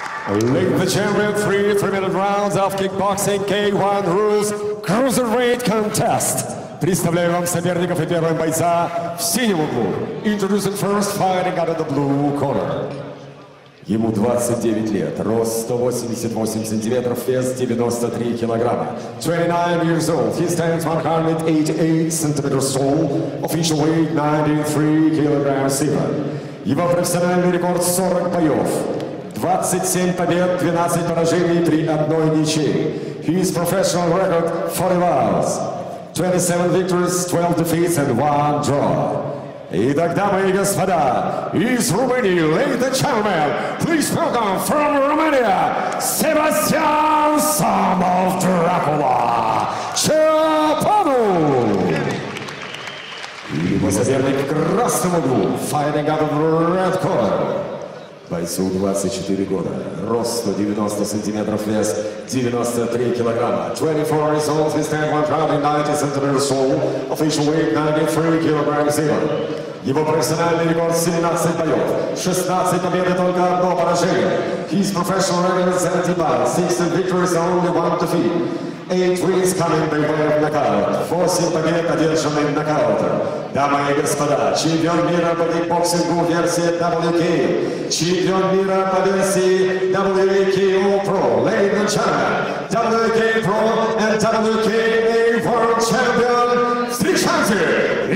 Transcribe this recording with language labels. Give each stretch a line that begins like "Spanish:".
English: Ladies and gentlemen, three-minute rounds of kickboxing K1 rules cruiserweight contest.
Russian: Представляю вам соперников и первого бойца в синем углу.
English: Introducing first fighting out of the blue corner.
Russian: Ему 29 лет, рост 188 сантиметров, вес 93 килограмма.
English: 29 years old, he stands 188 centimeters tall, official weight 93 kilograms silver.
Russian: Его профессиональный рекорд 40 боев, 27 побед, 12 поражений при одной ничьей.
English: His professional record 40 wins, 27 victories, 12 defeats and 1 draw.
Russian: Итак, дамы и господа, из Румынии,
English: ladies and gentlemen, please welcome from Romania, Sebastian Son of Dracula, Чапану!
Russian: Его соперник в красном углу,
English: fighting out of red corner.
Russian: Бойцу 24 года, рост 190 сантиметров, вес 93 килограмма.
English: 24 years old, he stands 190 centimeters tall, official weight 93 kilograms even.
Russian: Его профессиональный рекорд 17 боев, 16 побед и только одно поражение.
English: His professional record is 70 bouts, 16 victories and only 1 defeat. 8 wins coming by way of knockout,
Russian: 8 побед одержанные нокаутом. Дамы и господа, чемпион мира по кикбоксингу версии WKO, чемпион мира по версии WKO Pro,
English: ladies and gentlemen, WKO Pro and WKA World Champion,
Russian: встречайте!